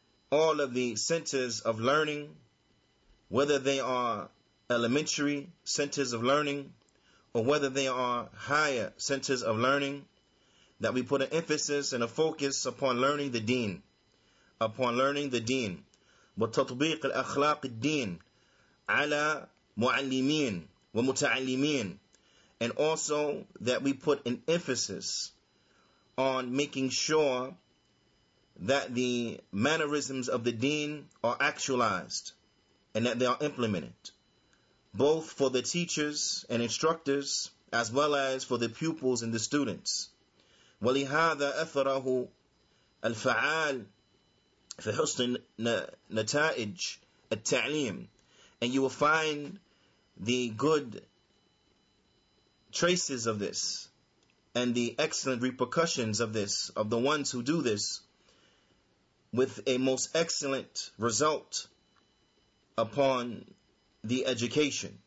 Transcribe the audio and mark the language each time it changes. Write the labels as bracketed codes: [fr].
[en] all of the centers of learning, whether they are elementary centers of learning or whether they are higher centers of learning, that we put an emphasis and a focus upon learning the deen, upon learning the deen. [ar] وتطبيق الأخلاق الدين على معلمين ومتعلمين. [en] And also that we put an emphasis on making sure that the mannerisms of the deen are actualized and that they are implemented, both for the teachers and instructors as well as for the pupils and the students. [ar] ولهذا أثره الفعال في حسن نتائج التعليم. [en] And you will find the good traces of this and the excellent repercussions of this, of the ones who do this, with a most excellent result upon the education.